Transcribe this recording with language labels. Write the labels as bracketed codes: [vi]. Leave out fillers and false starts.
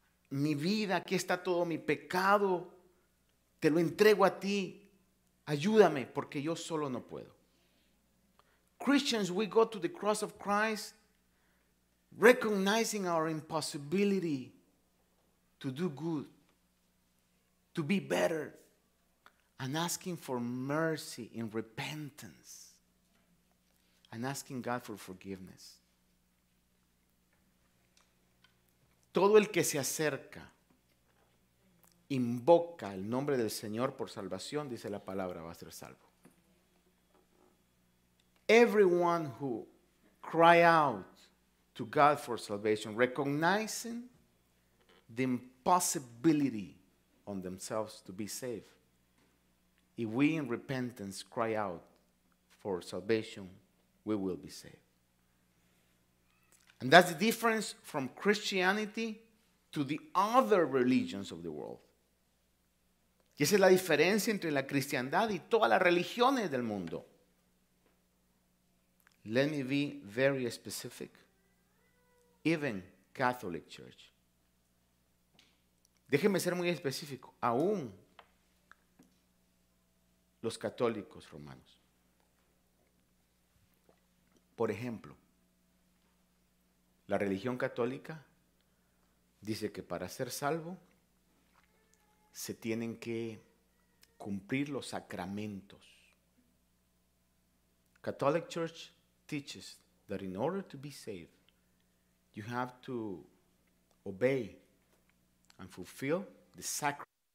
[es] mi vida, aquí está todo mi pecado, te lo entrego a ti, ayúdame, porque yo solo no puedo. [en] Christians, we go to the cross of Christ recognizing our impossibility to do good, to be better, and asking for mercy in repentance, and asking God for forgiveness. [es] Todo el que se acerca invoca el nombre del Señor por salvación, dice la palabra, va a ser salvo. [en] Everyone who cry out to God for salvation, recognizing the impossibility on themselves to be saved, if we in repentance cry out for salvation, we will be saved. And that's the difference from Christianity to the other religions of the world. [es] Y esa es la diferencia entre la cristiandad y todas las religiones del mundo. [en] Let me be very specific. Even Catholic Church. [es] Déjeme ser muy específico. Aún los católicos romanos. Por ejemplo, la religión católica dice que para ser salvo se tienen que cumplir los sacramentos. [en] Catholic Church teaches that in order to be saved, you have to obey and fulfill the sacrament.